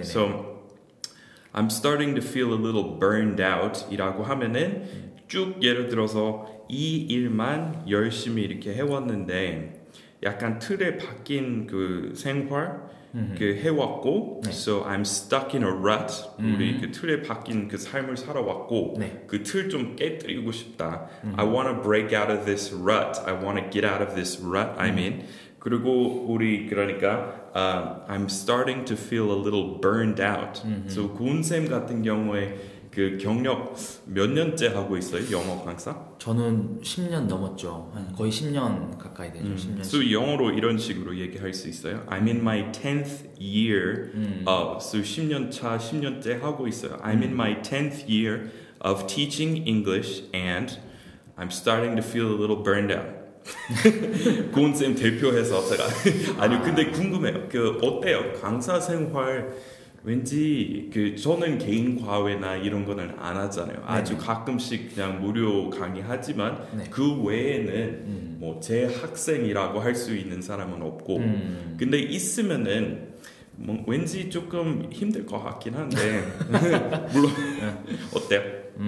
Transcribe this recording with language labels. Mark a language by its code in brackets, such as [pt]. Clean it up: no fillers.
[en] So I'm starting to feel a little burned out [ko] 이라고 하면은 쭉 예를 들어서 이 일만 열심히 이렇게 해왔는데. 약간 틀에 박힌 그 생활 그 해왔고 네. [en] So I'm stuck in a rut. [ko] 우리 그 틀에 박힌 그 삶을 살아왔고 네. 그 틀 좀 깨뜨리고 싶다. [en] I want to break out of this rut. I want to get out of this rut. I mean [ko] 그리고 우리 그러니까 [en] I'm starting to feel a little burned out. So [ko] 군쌤 같은 경우에 그 경력 몇 년째 하고 있어요? 영어 강사? 저는 10년 넘었죠. 거의 10년 가까이 되죠. 10년. 수 영어로 이런 식으로 얘기할 수 있어요? [en] I'm in my 10th year of [ko] 수 10년 차 10년째 하고 있어요. [en] I'm in my 10th year of teaching English and I'm starting to feel a little burned out. [ko] 고은쌤 대표해서 제가 아니 근데 궁금해요. 그 어때요? 강사 생활 왠지 그 저는 개인 과외나 이런 거는 안 하잖아요. 아주 네네. 가끔씩 그냥 무료 강의 하지만 네. 그 외에는 뭐 제 학생이라고 할 수 있는 사람은 없고 근데 있으면은 뭐 왠지 조금 힘들 것 같긴 한데 물론 어때요?